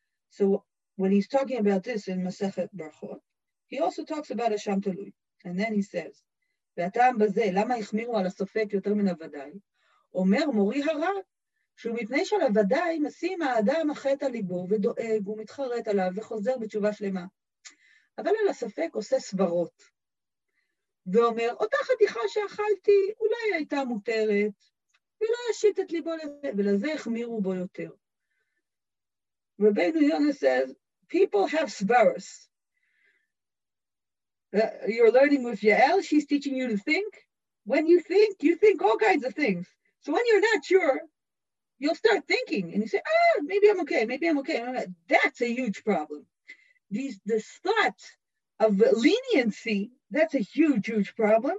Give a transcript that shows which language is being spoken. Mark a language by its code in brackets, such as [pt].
[en] So when he's talking about this in Masechet Brachot, he also talks about Asham Talui. And then he says, [he] והטעם בזה, למה החמירו על הסופק יותר מן הוודאי? אומר מורי הרב, שהוא מפני של הוודאי משים האדם החטא ליבו ודואג ומתחרט עליו וחוזר בתשובה שלמה. אבל על הסופק עושה סברות. ואומר, אותה חתיכה שאכלתי אולי הייתה מותרת, ולא ישית את ליבו לזה, ולזה החמירו בו יותר. [en] רבינו יונה says, people have סברות. You're learning with Yael, she's teaching you to think. When you think all kinds of things. So when you're not sure, you'll start thinking. And you say, maybe I'm okay, maybe I'm okay. That's a huge problem. This thought of leniency, that's a huge, huge problem.